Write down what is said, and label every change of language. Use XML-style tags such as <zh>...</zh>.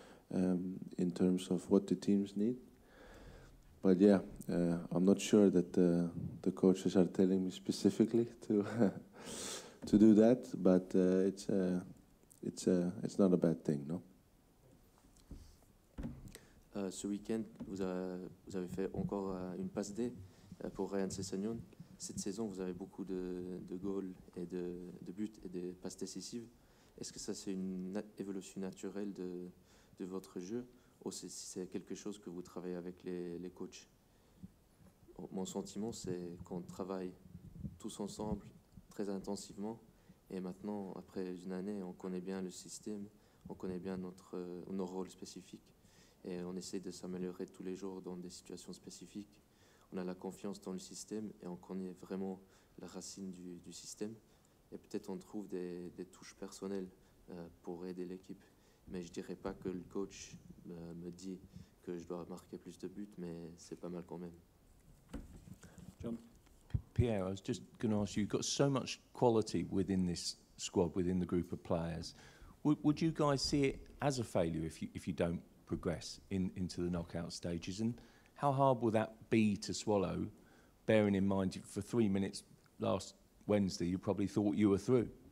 <en>In terms of what the teams need. But yeah, I'm not sure that the coaches are telling me specifically to to do that, but it's not a bad thing, no?</en> <fr>Ce week-end, vous avez fait encore une passe D pour Ryan Sessegnon. Cette saison, vous avez beaucoup de goals et de buts et de passes décisives. Est-ce que ça, c'est une évolution naturelle de votre jeu, ou si c'est quelque chose que vous travaillez avec les coachs? Mon sentiment, c'est qu'on travaille tous ensemble très intensivement, et maintenant, après une année, on connaît bien le système, on connaît bien nos rôles spécifiques, et on essaie de s'améliorer tous les jours dans des situations spécifiques. On a la confiance dans le système, et on connaît vraiment la racine du système, et peut-être on trouve des touches personnelles pour aider l'équipe. Mais je dirais pas que le coach me dit que je dois marquer plus de buts, mais c'est pas mal quand même.</fr> <en>John? Pierre, I was just going to ask you, you've got so much quality within this squad, within the group of players. Would you guys see it as a failure if you don't progress into the knockout stages? And how hard will that be to swallow, bearing in mind for 3 minutes last Wednesday, you probably thought you were through?</en>